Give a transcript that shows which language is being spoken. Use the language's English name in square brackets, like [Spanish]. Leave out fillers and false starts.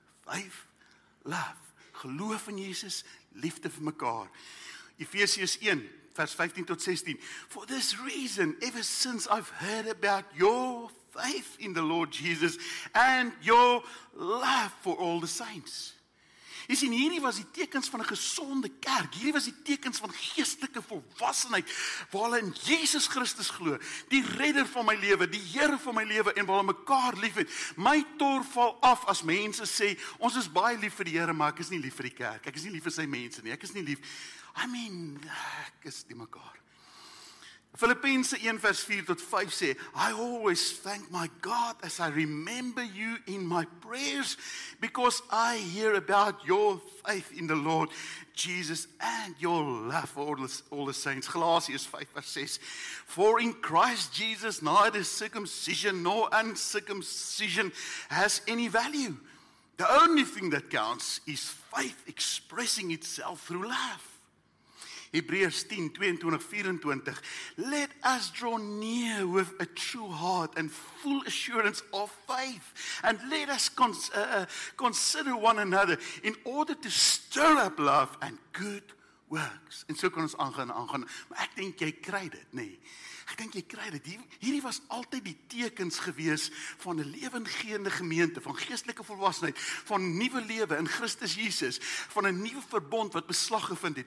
[English] Faith, love. [Afrikaans] Geloof in Jesus, liefde vir mekaar. [English] Efesiërs 1 [Afrikaans] vers 15 tot 16. [English] For this reason, ever since I've heard about your faith in the Lord Jesus and your love for all the saints. [Afrikaans] Jy sien, hierdie was die tekens van 'n gesonde kerk. Hierdie was die tekens van geestelike volwassenheid waar hulle in Jesus Christus glo, die Redder van my lewe, die Here van my lewe en waar hulle mekaar liefhet. My tor val af as mense sê, ons is baie lief vir die Here, maar ek is nie lief vir die kerk. Ek is nie lief vir sy mense nie. Ek is nie lief. ek is die mekaar. [English] Filippense 1 [Afrikaans] vers 4 tot 5 sê, [English] I always thank my God as I remember you in my prayers, because I hear about your faith in the Lord Jesus and your love for all the saints. Galatians 5 vers 6, for in Christ Jesus neither circumcision nor uncircumcision has any value. The only thing that counts is faith expressing itself through love. Hebrews 10, 22, 24, let us draw near with a true heart and full assurance of faith, and let us consider one another in order to stir up love and good works. [Afrikaans] En so kan ons aangaan. Maar ek dink jy kry dit, nee. Ek dink jy kry dit. Hierdie was altyd die tekens gewees van 'n lewengeende gemeente, van geestelike volwassenheid, van nuwe lewe in Christus Jesus, van 'n nuwe verbond wat beslag gevind het.